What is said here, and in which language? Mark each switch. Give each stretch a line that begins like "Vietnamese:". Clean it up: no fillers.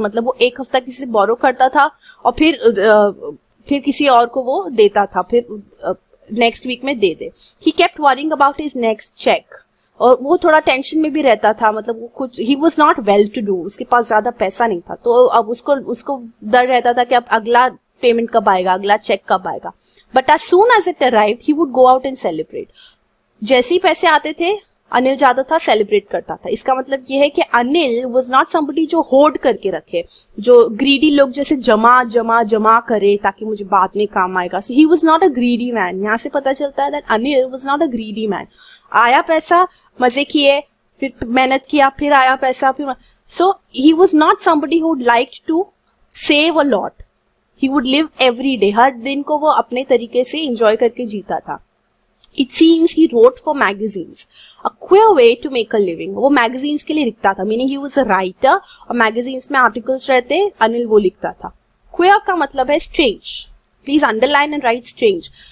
Hindi: मतलब वो एक हफ्ता किसी से borrow करता था और फिर किसी और को वो देता था, फिर next week में दे दे.
English: He kept worrying about his next check.
Hindi: और वो थोड़ा टेंशन में भी रहता था. मतलब वो कुछ he
English: was not well to do,
Hindi: उसके पास ज्यादा पैसा नहीं था. तो अब उसको डर रहता था कि अब अगला पेमेंट कब आएगा, अगला चेक कब आएगा.
English: But as soon as it arrived, he would go out and celebrate.
Hindi: जैसे ही पैसे आते थे अनिल जाता था सेलिब्रेट करता था. इसका मतलब यह है कि अनिल
English: was not somebody
Hindi: जो होल्ड करके रखे, जो ग्रीडी लोग जैसे जमा जमा जमा करे ताकि मुझे बाद में काम आएगा.
English: So he was not a greedy man.
Hindi: यहाँ से पता चलता है
English: That Anil was not a greedy man.
Hindi: आया पैसा, मजे किए, फिर मेहनत किया, फिर आया पैसा, फिर
English: So he was not somebody who liked to save a lot. He would live every day.
Hindi: हर दिन को वो अपने तरीके से enjoy करके जीता था.
English: It seems he wrote for magazines, a queer way to make a living.
Hindi: वो magazines के लिए लिखता था,
English: meaning he was a writer
Hindi: और magazines में articles रहते, अनिल वो लिखता था.
English: Queer
Hindi: का मतलब है
English: strange. Please underline and write strange.